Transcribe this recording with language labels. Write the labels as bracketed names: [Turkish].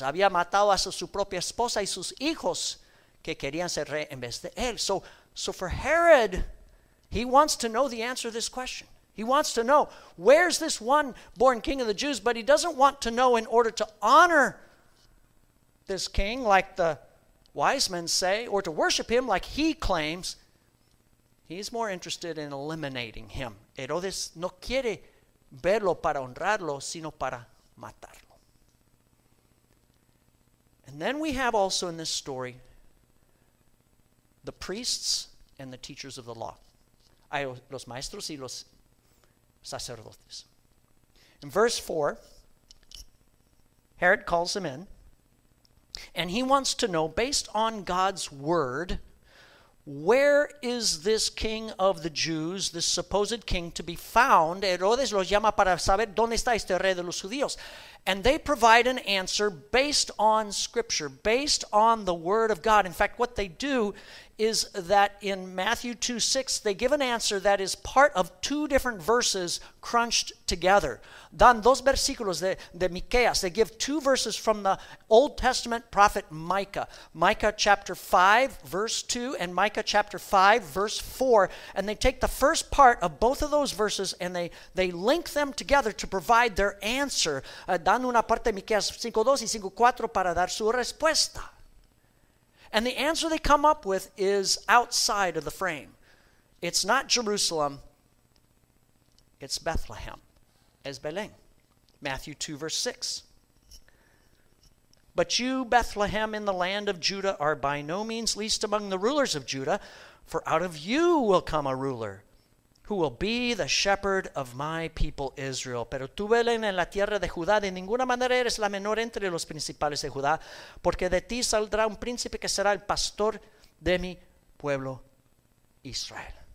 [Spanish] Había matado a su propia esposa y sus hijos que querían ser rey en vez de él. [English] So for Herod, he wants to know the answer to this question. He wants to know, where's this one born king of the Jews? But he doesn't want to know in order to honor this king, like the wise men say, or to worship him, like he claims. He's more interested in eliminating him. [Spanish] Herodes no quiere verlo para honrarlo, sino para matarlo. [English] And then we have also in this story the priests and the teachers of the law. [Spanish] Hay los maestros y los sacerdotes. [English] In verse 4, Herod calls them in, and he wants to know, based on God's word, where is this king of the Jews, this supposed king, to be found? [Spanish] Herodes los llama para saber dónde está este rey de los judíos. [English] And they provide an answer based on scripture, based on the word of God. In fact, what they do is that in Matthew 2:6, they give an answer that is part of two different verses crunched together. [Spanish] Dan dos versículos de Miqueas. [English] They give two verses from the Old Testament prophet Micah. Micah chapter 5, verse 2, and Micah chapter 5, verse 4. And they take the first part of both of those verses and they link them together to provide their answer. [Spanish] Dan una parte de Miqueas 5:2 y 5:4 para dar su respuesta. [English] And the answer they come up with is outside of the frame. It's not Jerusalem. It's Bethlehem. [Spanish] Es Belén. [English] Matthew 2, verse 6. But you, Bethlehem, in the land of Judah, are by no means least among the rulers of Judah, for out of you will come a ruler who will be the shepherd of my people Israel. [Spanish] Pero tú, Belén, en la tierra de Judá, de ninguna manera eres la menor entre los principales de Judá, porque de ti saldrá un príncipe que será el pastor de mi pueblo Israel.